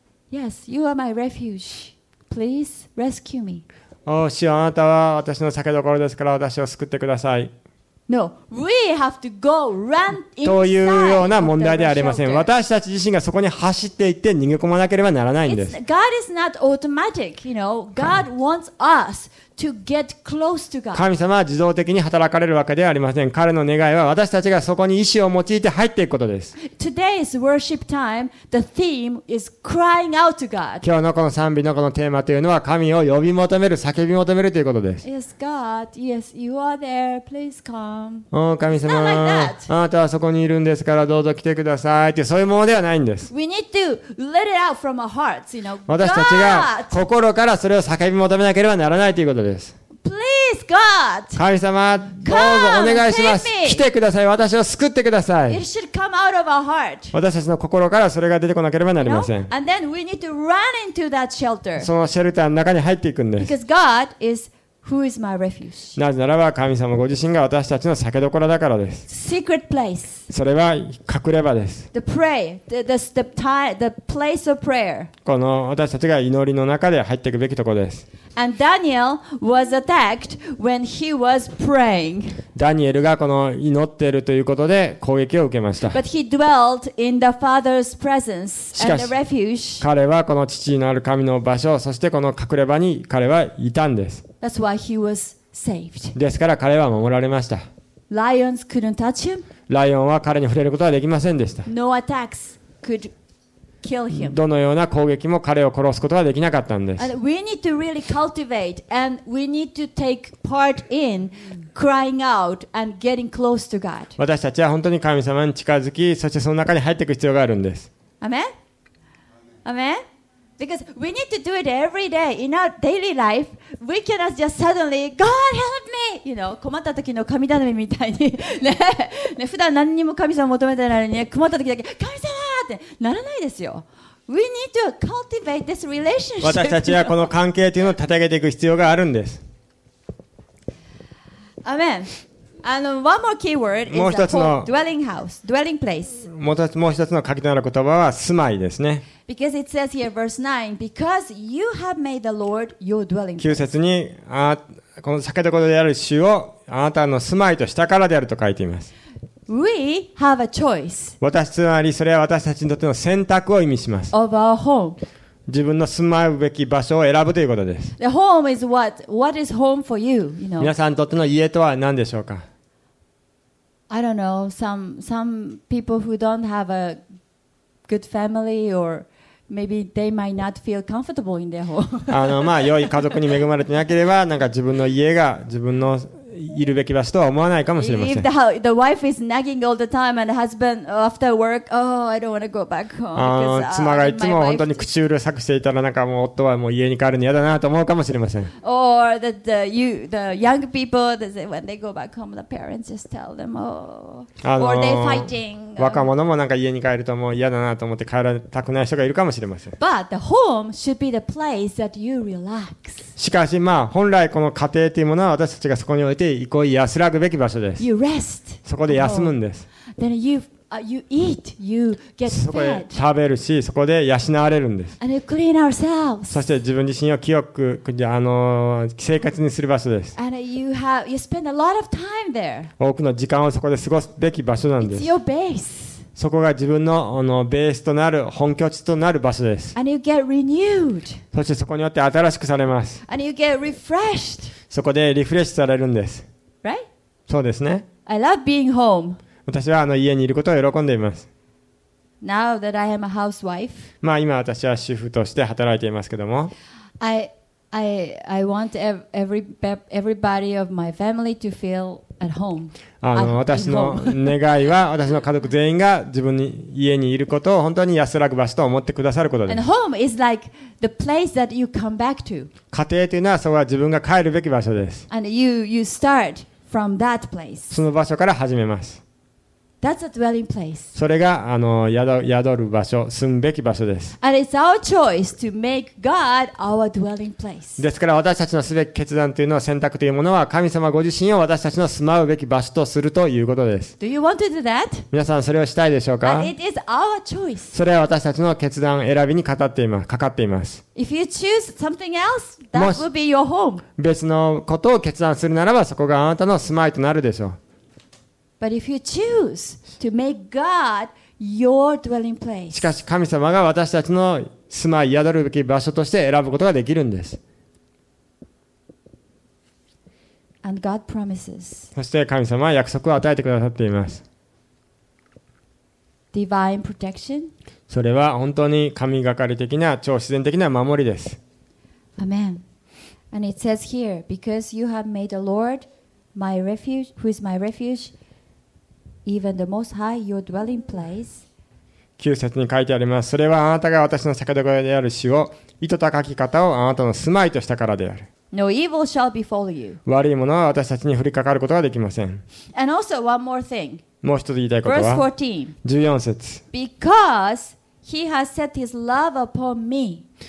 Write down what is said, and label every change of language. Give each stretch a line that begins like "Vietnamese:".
English: Yes, you are my refuge. Please rescue me.
Japanese: おー、主よ、あなたは私の避けどころですから、私を救ってください。
English: No, we have to go run inside.
Japanese: というような問題ではありません。私たち自身がそこに走っていって逃げ込まなければならないんです。
English: God is not automatic, you know. God wants us to get close to God.
Japanese: 神様は自動的に働かれるわけではありません。彼の願いは私たちがそこに意思を用いて入っていくことです。
English: Today's worship time, the theme is crying out to God.
Japanese: 今日のこの賛美のこのテーマというのは神を呼び求める、叫び求めるということです。
English: Yes, God. Yes, you are there. Please come.
Japanese: おお、神様。
English: It's not like that.
Japanese: あなたはそこにいるんですから、どうぞ来てくださいって、そういうものではないんです。
English: We need to let it out from our hearts, you know.
Japanese: 私たちが心からそれを叫び求めなければならないということ。
English: Please, God.
Japanese: 神様、どうぞお願いします。来てください。私を救ってください。
English: It should come out of our heart.
Japanese: 私たちの心からそれが出てこなければなりません。
English: And then we need to run into that shelter.
Japanese: そのシェルターの中に入っていくんです。
English: Because God is who is my refuge.
Japanese: なぜならば神様ご自身が私たちの酒どころだからです。
English: Secret place.
Japanese: それは隠れ場です。
English: The pray, the place of prayer.
Japanese: この私たちが祈りの中で入っていくべきところです。
English: And Daniel was attacked when he was praying.
Japanese: ダニエルがこの祈っているということで攻撃を受けました。
English: But he dwelt in the Father's presence and the refuge.
Japanese: しかし彼はこの父のある神の場所、そしてこの隠れ場に彼はいたんです。
English: That's why he was saved.
Japanese: ですから彼は守られました。
English: Lions couldn't touch him.
Japanese: ライオンは彼に触れることはできませんでした。
English: No attacks could. Kill him.
Japanese: どのような攻撃も彼を殺すことはできなかったんです。
English: And we need to really cultivate and we need to take part in crying out and getting close to God.
Japanese: 私たちは本当に神様に近づき、そしてその中に入っていく必要があるんです。
English: Amen? Amen? Because we need to do it every day in our daily life. We cannot just suddenly, God help me! You know,
Japanese: 困った時の神頼みみたいに ね, ね。普段何にも神様求めてないのに、ね、困った時だけ、神様ならないですよ。
English: We need to cultivate this relationship.
Japanese: 私たちはこの関係というのを立て上げていく必要があるんです。アメン。
English: One more key word is the dwelling house, dwelling place.
Japanese: もう一つの鍵となる言葉は住まいですね。
English: Because it says here, verse 9, because you have made the Lord your dwelling
Japanese: place. 9節にこの酒所である主をあなたの住まいとしたからであると書いています。
English: We have a choice.
Japanese: 私つまりそれは私たちにとっての選択を意味します。
English: Of our home.
Japanese: 自分の住まうべき場所を選ぶということです。
English: The home is what? What is home for you? You know.
Japanese: 皆さんにとっての家とは何でしょうか。
English: I don't know. Some people who don't have a good family or maybe they might not feel comfortable in their home.
Japanese: まあ良い家族に恵まれてなければなんか自分の家が自分のいるべき場所とは思わないかもしれません。
English: The wife is nagging all the time and husband after work, oh, I don't want to go back home.
Japanese: 妻がいつも本当に口うるさくしていたらなんかもう夫はもう家に帰るの嫌だなと思うかもしれません。
English: Or that the young people, they say when they go back home, the parents just tell them, oh, or they fighting.
Japanese: 若者もなんか家に帰るともう嫌だなと思って帰らたくない人がいるかもしれません。
English: But the home should be the place that you relax.
Japanese: しかしまあ本来この家庭というものは私たちがそこに置いて憩い安らぐべき場所です。
English: You rest.
Japanese: そこで休むんです。
English: Then you eat, you get fed.
Japanese: そこで食べるし、そこで養われるんです。
English: And you clean ourselves.
Japanese: そして自分自身を清く清潔にする場所です。
English: And you spend a lot of time there.
Japanese: 多くの時間をそこで過ごすべき場所なんです。
English: It's your base.
Japanese: そこが自分 のベースとなる本拠地となる場所です。
English: And you get renewed.
Japanese: そしてそこによって新しくされます。
English: And you get refreshed.
Japanese: そこでリフレッシュされるんです。
English: Right?
Japanese: そうですね。
English: I love being home.
Japanese: 私は家にいることを喜んでいます。
English: Now that I am a housewife.
Japanese: まあ今私は主婦として働いていますけども。
English: I want everybody of my family to feel at home.
Japanese: 私の願いは私の家族全員が自分に家にいることを本当に安らぐ場所と思ってくださることです。
English: And home is like the place that you come back to.
Japanese: 家庭というのはそこは自分が帰るべき場所です。
English: And you start from that place.
Japanese: その場所から始めます。
English: That's a dwelling place.
Japanese: それが宿る場所、住むべき場所です。
English: And it's our choice to make God our dwelling place.
Japanese: ですから私たちのすべき決断というのは選択というものは神様ご自身を私たちの住まうべき場所とするということです。
English: Do you want to do that?
Japanese: 皆さんそれをしたいでしょうか?
English: And it is our choice.
Japanese: それは私たちの決断選びにかかっています。
English: If you choose something else, that will be your home.
Japanese: 別のことを決断するならばそこがあなたの住まいとなるでしょう。
English: But if you choose to make God your dwelling place,
Japanese: しかし神様が私たちの住まい宿るべき場所として選ぶことができるんです。
English: And God promises.
Japanese: そして神様は約束を与えてくださっています。
English: Divine protection.
Japanese: それは本当に神がかり的な超自然的な守りです。
English: Amen. And it says here, because you have made the Lord my refuge, who is my refuge, even the Most High your dwelling place.
Japanese: 9節に書いてあります。それはあなたが私の酒どころである主を、意図高き方をあなたの住まいとしたからである。
English: No evil shall befall you.
Japanese: 悪いものは私たちに降りかかることができません。
English: And also one more thing.
Japanese: もう一つ言いたいことは、
English: Verse
Japanese: 14節。
English: Because he has set his love upon me.